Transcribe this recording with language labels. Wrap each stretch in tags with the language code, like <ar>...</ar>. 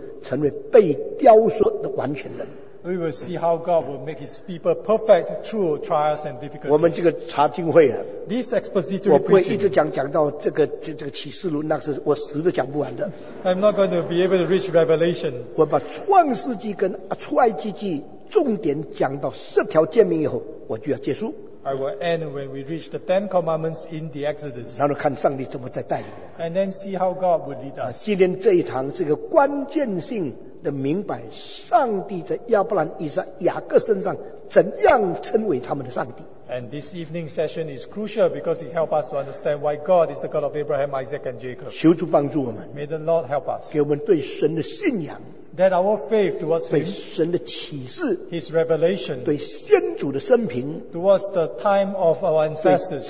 <zh>我们就看上帝怎么训练他的百姓在受苦中间成为被雕塑的完全人。</zh> <en>We will see how God will make his people perfect through trials and difficulties.</en> <zh>我们这个查经会啊,</zh> <en>this expository preaching,</en> <zh>我不会一直讲到这个启示录,</zh> <en>I'm not going to be able to reach Revelation.</en> <zh>我把创世纪跟出埃及记重点讲到十条诫命以后, 我就要结束。</zh> <en>I will end when we reach the Ten Commandments in the Exodus.</en> <zh>然后看上帝怎么在带领,</zh> <en>and then see how God will lead us.</en> <zh>今天这一堂是一个关键性, 明白上帝在亚伯兰、以撒、雅各身上怎样称为他们的上帝。</zh> <en>And this evening session is crucial because it helps us to understand why God is the God of Abraham, Isaac, and Jacob.</en> <zh>求主帮助我们,</zh> <en>may the Lord help us.</en> <zh>给我们对神的信仰,</zh> <en>that our faith towards him,</en> <zh>对神的启示,</zh> <en>his revelation,</en> <zh>对先祖的生平,</zh> <en>towards the time of our ancestors,</en>